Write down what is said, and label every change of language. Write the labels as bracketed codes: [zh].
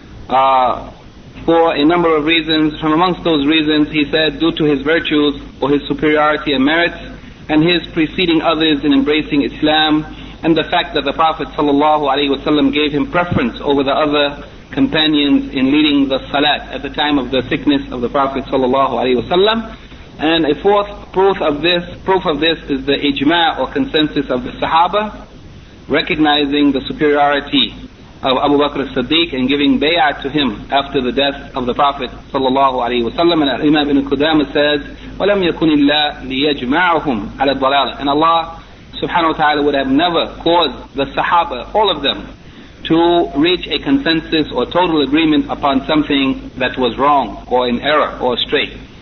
[en] For a number of reasons, from amongst those reasons, he said, due to his virtues or his superiority and merits, and his preceding others in embracing Islam, and the fact that the Prophet sallallahu alaihi wasallam gave him preference over the other companions in leading the salat at the time of the sickness of the Prophet sallallahu alaihi wasallam. And a fourth proof of this is the ijma' or consensus of the Sahaba, recognizing the superiority of Abu Bakr as-Siddiq and giving bay'ah to him after the death of the Prophet sallallahu alayhi wa sallam. And Imam ibn Qudama says, [ar] وَلَمْ يَكُنِ اللَّهِ لِيَجْمَعُهُمْ عَلَى الضَّلَالَةِ. [en] And Allah subhanahu wa ta'ala would have never caused the Sahaba, all of them, to reach a consensus or total agreement upon something that was wrong or in error or straight.